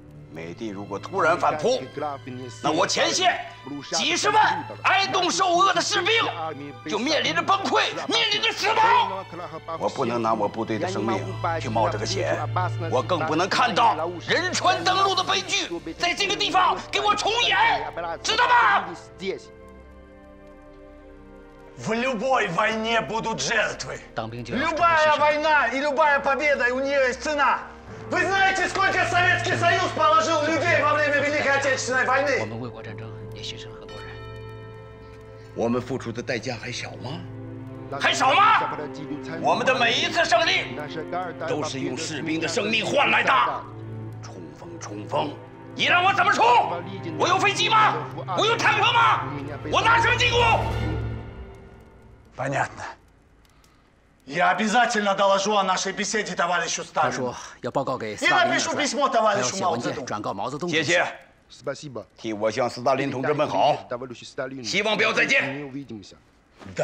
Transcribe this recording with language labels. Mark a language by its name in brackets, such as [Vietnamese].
[Chinese] 美帝如果突然反扑，那我前线几十万挨冻受饿的士兵就面临着崩溃，面临着死亡。我不能拿我部队的生命去冒这个险，我更不能看到仁川登陆的悲剧在这个地方给我重演，知道吗？ [Russian] В любой войне будут жертвы. [Chinese] 当兵就要准备牺牲。 [Russian] Любая война и любая победа у нее есть цена. Вы знаете, сколько Советский Союз положил людей во время Великой Отечественной войны? Мы в войне тоже потеряли много людей. Мы платили за это еще мало? [Chinese] 还少吗？我们的每一次胜利都是用士兵的生命换来的。冲锋，冲锋！你让我怎么冲？我有飞机吗？我有坦克吗？我拿什么进攻 [Russian] ？Понятно. Я обязательно доложу о нашей беседе товарищу Сталину. [Chinese] 他说要报告给斯大林。你来必须 [Russian] письмо товарищу Мао [Chinese] Цзэдуну。谢谢。 [Russian] Спасибо. [Chinese] 替我向斯大林同志们好。希望不要再见。До